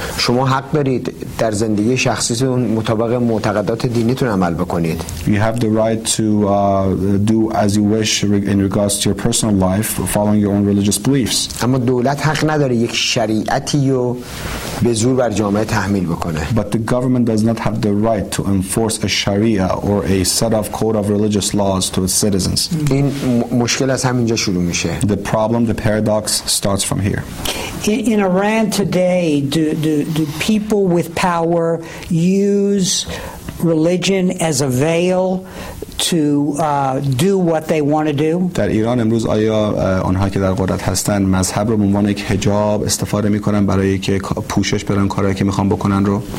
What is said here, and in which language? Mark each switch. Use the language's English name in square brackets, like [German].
[Persian] شما حق دارید در زندگی شخصیتون مطابق معتقدات دینیتون عمل بکنید. [English] You have the right to do as you wish in regards to your personal life, following your own religious beliefs. [Persian] اما دولت حق نداره یک شریعتی رو به زور بر جامعه تحمیل بکنه. [English] But the government does not have the right to enforce a sharia or a set of code of religious laws to its citizens. [Persian] این مشکل از همینجا شروع میشه. [English] The problem, the paradox starts from here. In Iran today, do people with power use religion as a veil to do what they want to do? [Persian] در ایران امروز آیا آنها که در قدرت هستند مذهب رو به عنوان یک حجاب استفاده میکنن برای اینکه پوشش بدن کارهایی که میخوان بکنن رو؟